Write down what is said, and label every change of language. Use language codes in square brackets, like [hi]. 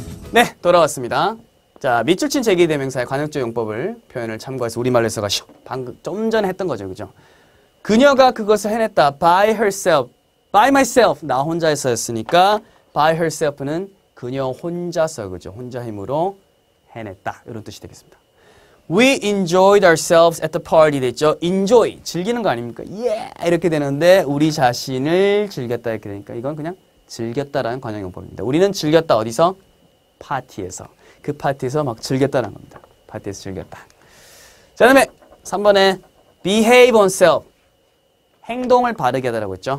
[ko] 네, 돌아왔습니다. 자, 밑줄 친 제기 대명사의 관용적 용법을 표현을 참고해서 우리말로 써가시오. 방금 좀 전에 했던 거죠, 그죠? 그녀가 그것을 해냈다. [en] By herself. [ko] By myself, 나 혼자서 했으니까 by herself는 그녀 혼자서, 그죠? 혼자 힘으로 해냈다. 이런 뜻이 되겠습니다. [en] We enjoyed ourselves at the party [ko] 됐죠? Enjoy, 즐기는 거 아닙니까? [en] Yeah! [ko] 이렇게 되는데 우리 자신을 즐겼다 이렇게 되니까 이건 그냥 즐겼다라는 관용용법입니다. 우리는 즐겼다 어디서? 파티에서. 그 파티에서 막 즐겼다는 겁니다. 파티에서 즐겼다. 자, 다음에 3번에 [en] behave oneself. [ko] 행동을 바르게 하다라고 했죠.